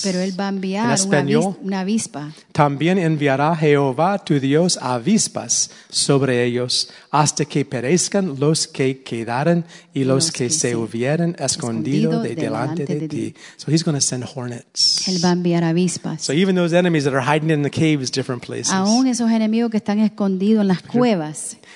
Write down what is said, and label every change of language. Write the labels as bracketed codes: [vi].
[es] Pero él va a enviar en español, una avispa. También enviará Jehová tu Dios avispas sobre ellos hasta que perezcan los que quedaran y los que se hubieran escondido delante de ti. [en] So he's going to send hornets. [es] Él va a enviar avispas. [en] So even those enemies that are hiding in the caves, different places. [es] Aún esos enemigos que están escondidos en las cuevas.